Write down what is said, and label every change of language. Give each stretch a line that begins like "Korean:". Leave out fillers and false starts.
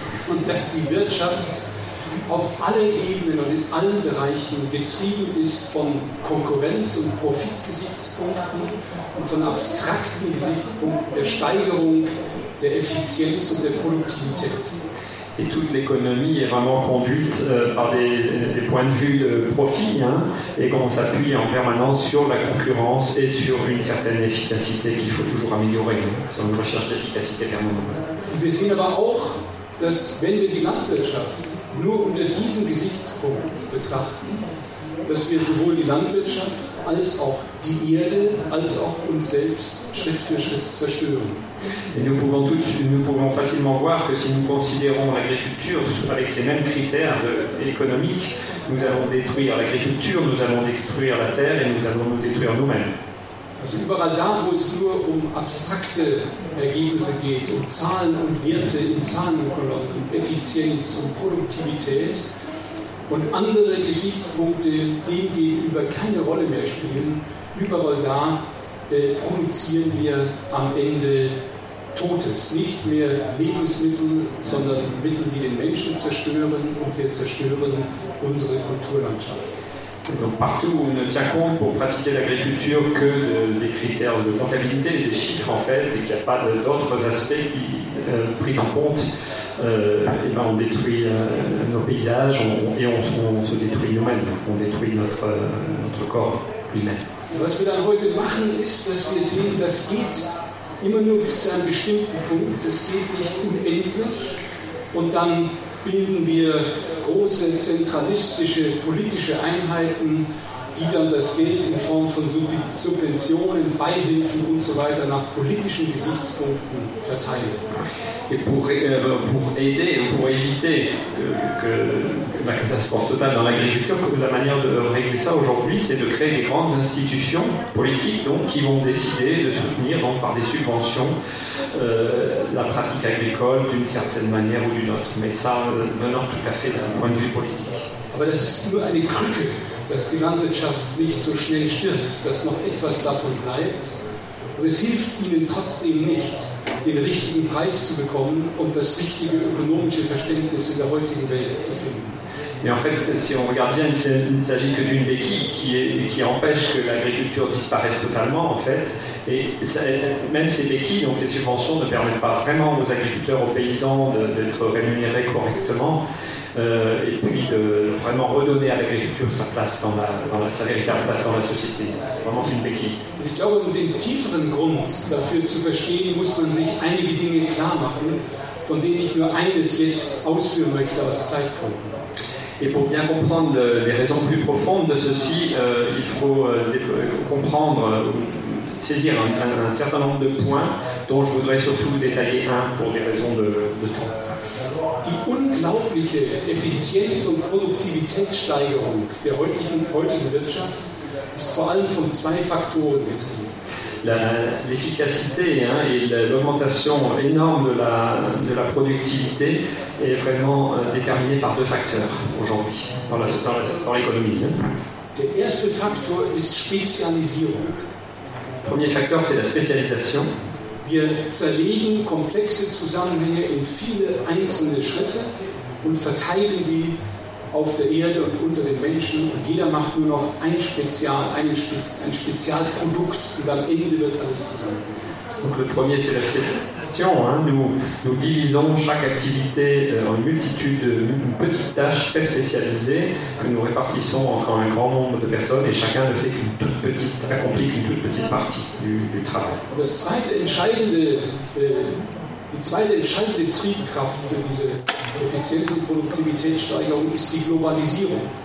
German: Und dass die Wirtschaft auf allen Ebenen und in allen Bereichen getrieben ist von Konkurrenz- und Profitgesichtspunkten und von abstrakten Gesichtspunkten der Steigerung der Effizienz und der Produktivität.
French: et toute l'économie est vraiment conduite par des points de vue de profit, hein, et qu'on s'appuie en permanence sur la concurrence et sur une certaine efficacité qu'il faut toujours améliorer, hein, sur une recherche d'efficacité permanente.
German: Wir sehen aber auch, dass wenn wir die Landwirtschaft nur unter diesem Gesichtspunkt betrachten, dass wir sowohl die Landwirtschaft als auch die Erde als auch uns selbst Schritt für Schritt zerstören.
French: Et nous pouvons facilement voir que si nous considérons l'agriculture avec ces mêmes critères économiques, nous allons détruire l'agriculture, nous allons détruire la terre et nous allons nous détruire nous-mêmes.
German: Also überall da, wo es nur um abstrakte Ergebnisse geht, um Zahlen und Werte in Zahlenkolonnen, um Effizienz und Produktivität und andere Gesichtspunkte demgegenüber keine Rolle mehr spielen, überall da produzieren wir am Ende Totes, nicht mehr Lebensmittel, sondern Mittel, die den Menschen zerstören, und wir zerstören unsere Kulturlandschaft.
French: Donc partout où on ne tient compte pour pratiquer l'agriculture que des critères de comptabilité, des chiffres en fait, et qu'il n'y a pas d'autres aspects qui, pris en compte, et ben on détruit nos paysages on se détruit nous-mêmes, on détruit notre corps humain.
German: Was wir dann heute machen, ist, dass wir sehen, das geht immer nur bis zu einem bestimmten Punkt, das geht nicht unendlich, und dann bilden wir große zentralistische politische Einheiten, die dann das Geld in Form von Subventionen, Beihilfen und so weiter nach politischen Gesichtspunkten verteilen.
French: Et pour aider, pour éviter que la catastrophe totale dans l'agriculture, la manière de régler ça aujourd'hui, c'est de créer des grandes institutions politiques donc, qui vont décider de soutenir donc, par des subventions la pratique agricole d'une certaine manière ou d'une autre. Mais ça, venant tout à fait d'un point de vue politique.
German: Aber das ist nur eine Krücke, dass die Landwirtschaft nicht so schnell stirbt, dass noch etwas davon bleibt. Und es hilft ihnen trotzdem nicht, den richtigen Preis zu bekommen und das richtige ökonomische Verständnis in der heutigen Welt zu finden.
French: Mais en fait, si on regarde bien, il ne s'agit que d'une béquille qui empêche que l'agriculture disparaisse totalement, en fait. Et ça, même ces béquilles, donc ces subventions, ne permettent pas vraiment aux agriculteurs, aux paysans d'être rémunérés correctement et puis de vraiment redonner à l'agriculture sa place sa véritable place dans la société. C'est vraiment une béquille. Je pense que pour comprendre le
German: grund dafür zu verstehen, muss man sich einige Dinge klar machen, von denen ich nur eines jetzt ausführen möchte aus Zeitgründen.
French: Et pour bien comprendre les raisons plus profondes de ceci, il faut comprendre, saisir un certain nombre de points dont je voudrais surtout détailler un pour des raisons de temps.
German: Die unglaubliche Effizienz- und Produktivitätssteigerung der heutigen Wirtschaft ist vor allem von zwei Faktoren getrieben.
French: L'efficacité hein, et l'augmentation énorme de la productivité est vraiment déterminée par deux facteurs aujourd'hui dans l'économie. Hein.
German: Der erste Faktor ist Spezialisierung.
French: Le premier facteur, c'est la spécialisation.
German: Wir zerlegen komplexe Zusammenhänge in viele einzelne Schritte und verteilen die auf der Erde und unter den Menschen, und jeder macht nur noch ein Spezialprodukt, und am Ende wird alles zusammengeführt.
French: Donc le premier, c'est la spécialisation. Hein. Nous divisons chaque activité en multitude de petites tâches très spécialisées que nous répartissons entre un grand nombre de personnes, et chacun ne fait qu'une toute petite, très compliquée, une toute petite partie du travail.
German: Die zweite entscheidende Triebkraft für diese Effizienz- und Produktivitätssteigerung ist die Globalisierung.